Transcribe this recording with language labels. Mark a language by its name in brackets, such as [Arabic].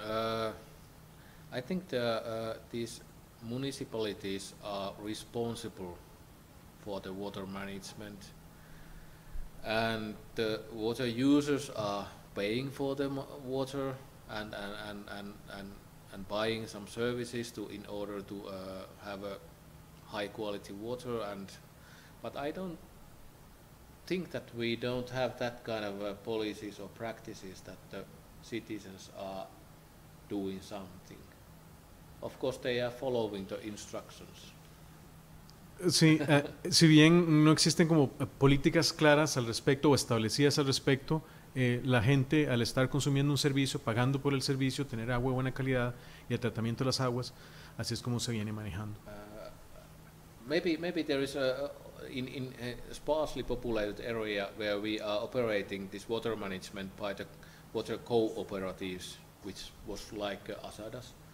[English] I think these municipalities are responsible for the water management, and the water users are paying for the water and buying some services in order to have a high quality water. But I don't think that we don't have that kind of policies or practices that the citizens are doing something. Of course, they are following the instructions. [Spanish] Sí, si bien no existen como políticas claras al respecto o establecidas al respecto, la gente al estar consumiendo un servicio, pagando por el servicio, tener agua de buena calidad y el tratamiento de las aguas, así es como se viene manejando. [English] Maybe there is a in a sparsely populated area where we are operating this water management by the water cooperatives, which was like Asadas.